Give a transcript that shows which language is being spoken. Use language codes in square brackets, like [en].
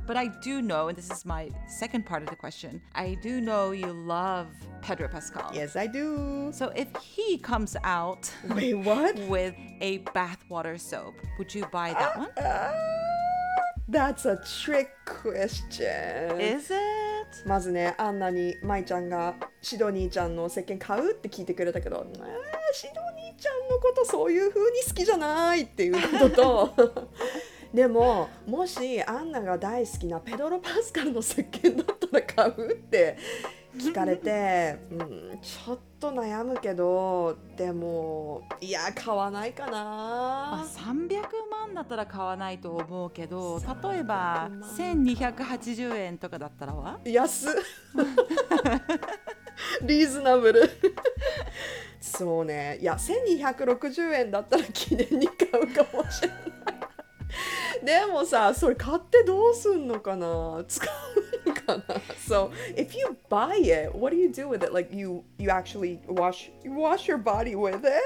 [en] But I do know, and this is my second part of the question, I do know you love Pedro Pascal. Yes, I do. So if he comes out... Wait, what? ...with a bathwater soap, would you buy that one? That's a trick question. Is it? [ja] まずね、アンナに舞ちゃんがシドニーちゃんの石鹸買うって聞いてくれたけど、シドニーちゃんのことそういう風に好きじゃないっていうことと、でももしアンナが大好きなペドロパスカルの石鹸だったら買うって聞かれて、ちょっと悩むけど、でもいや買わないかな。 300万だったら買わないと思うけど、例えば1280円とかだったらは安っリーズナブルそうね、いや1260円だったら記念に買うかもしれないでもさ、それ買ってどうすんのかな、使うのかな。 [en] So if you buy it, what do you do with it? Like you actually wash your body with it?